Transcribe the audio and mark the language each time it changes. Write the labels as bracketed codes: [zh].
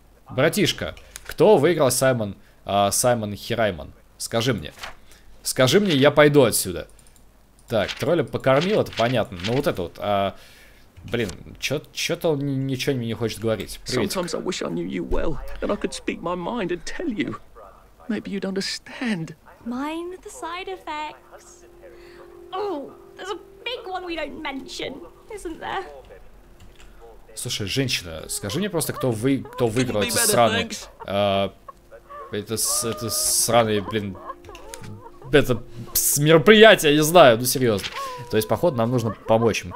[ru] Братишка, кто выиграл Саймон? Саймон Херайман? Скажи мне. Скажи мне, я пойду отсюда. Так, тролля покормил, это понятно. Но вот это вот, блин, чё-то он ничего мне не хочет говорить. Привет. [en] Sometimes I wish I knew you well, and I could speak my mind and tell you. Maybe you'd understand. Mind the side effects. Oh, there's a big one we don't mention, isn't there? [ru] Слушай, женщина, скажи мне просто, кто выиграл эти сраные... это сраные, блин... Это мероприятие, не знаю, ну серьезно. То есть, походу, нам нужно помочь им.